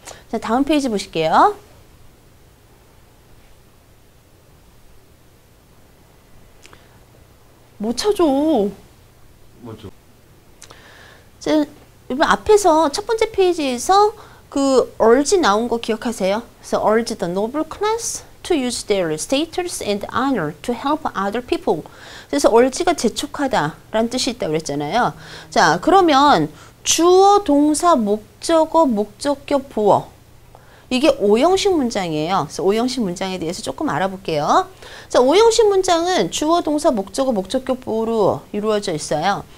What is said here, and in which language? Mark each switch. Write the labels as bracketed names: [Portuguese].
[Korean] 자, 다음 페이지 보실게요. 못 쳐줘. 못 쳐. 자, 여러분 앞에서 첫 번째 페이지에서 그 urge 나온 거 기억하세요? [English] So urge the noble class to use their status and honor to help other people. [Korean] 그래서 urge가 재촉하다라는 뜻이 있다고 그랬잖아요. 자, 그러면 주어, 동사, 목적어, 목적격, 보어. 이게 5형식 문장이에요. 그래서 5형식 문장에 대해서 조금 알아볼게요. 자, 5형식 문장은 주어, 동사, 목적어, 목적격, 보어로 이루어져 있어요.